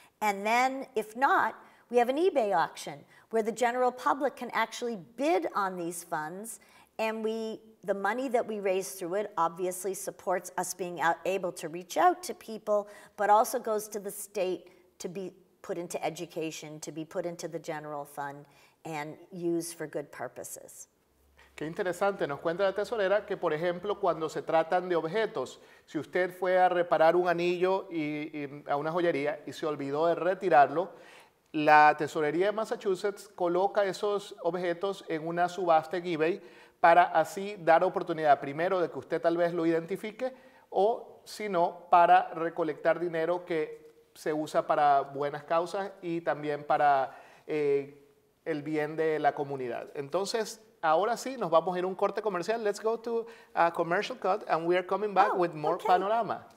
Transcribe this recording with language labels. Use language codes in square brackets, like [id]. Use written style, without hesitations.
[en] And then, if not, we have an eBay auction where the general public can actually bid on these funds. And the money that we raise through it obviously supports us being able to reach out to people, but also goes to the state to be put into education, to be put into the general fund, and used for good purposes. [es] Qué interesante, nos cuenta la tesorera que, por ejemplo, cuando se tratan de objetos, si usted fue a reparar un anillo y a una joyería y se olvidó de retirarlo, la tesorería de Massachusetts coloca esos objetos en una subasta en eBay para así dar oportunidad, primero, de que usted tal vez lo identifique o, si no, para recolectar dinero que se usa para buenas causas y también para el bien de la comunidad. Entonces, ahora sí, nos vamos a ir a un corte comercial. [en] Let's go to a commercial cut, and we are coming back with more Panorama.